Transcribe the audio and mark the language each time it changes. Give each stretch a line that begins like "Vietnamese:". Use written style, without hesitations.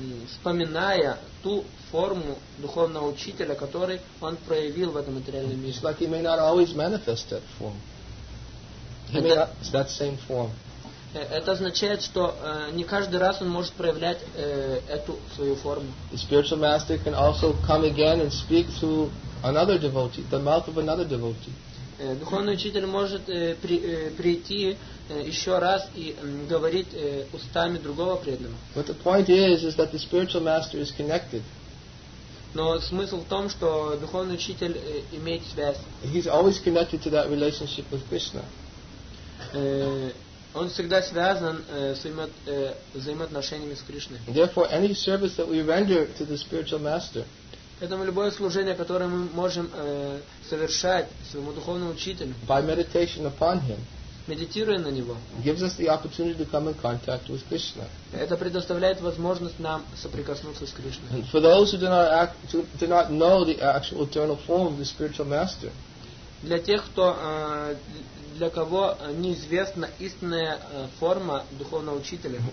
Russian: Вспоминая ту форму духовного учителя, который он проявил в этом материальном мире.
English: It's like he may not always manifest that form. That same form.
Russian: Это означает, что не каждый раз он может проявлять эту свою форму.
English: The spiritual master can also come again and speak through another devotee, the mouth of another devotee.
Russian: Духовный учитель может прийти еще раз и говорить устами другого преданного.
English: But the point is that the spiritual master is connected.
Russian: Но смысл в том, что духовный учитель имеет связь.
English: He's always connected to that relationship with Krishna.
Russian: Он всегда связан своими взаимоотношениями с Кришной.
English: Therefore, any service that we render to the spiritual master.
Russian: Поэтому любое служение, которое мы можем совершать своему духовному учителю.
English: By meditation upon him.
Russian: Медитируя на него.
English: Gives us the opportunity to come in contact with Krishna.
Russian: Это предоставляет возможность нам соприкоснуться с Кришной.
English: And for those who do not know the actual eternal form of the spiritual master.
Russian: Для тех, кто для кого неизвестна истинная форма духовного учителя.